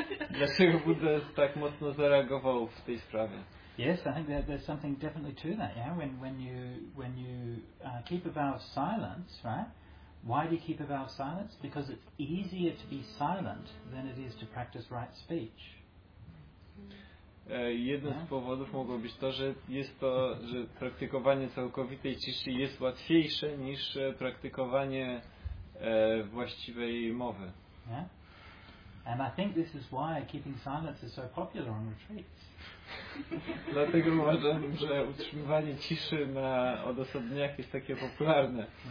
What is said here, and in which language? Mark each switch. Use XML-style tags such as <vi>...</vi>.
<pl>Dlaczego Buddha tak mocno zareagował w tej sprawie?</pl> <en>Yes, I think there's something definitely to that. Yeah, when you keep a vow of silence, right? Why do you keep a vow of silence? Because it's easier to be silent than it is to practice right speech.</en> <pl>Jednym z powodów mogło być to, że jest to, że praktykowanie całkowitej ciszy jest łatwiejsze niż praktykowanie właściwej mowy.</pl> <en>Yeah? And I think this is why keeping silence is so popular on retreats.</en> <pl>Dlatego uważam, że utrzymywanie ciszy na odosobniach jest takie popularne.</pl>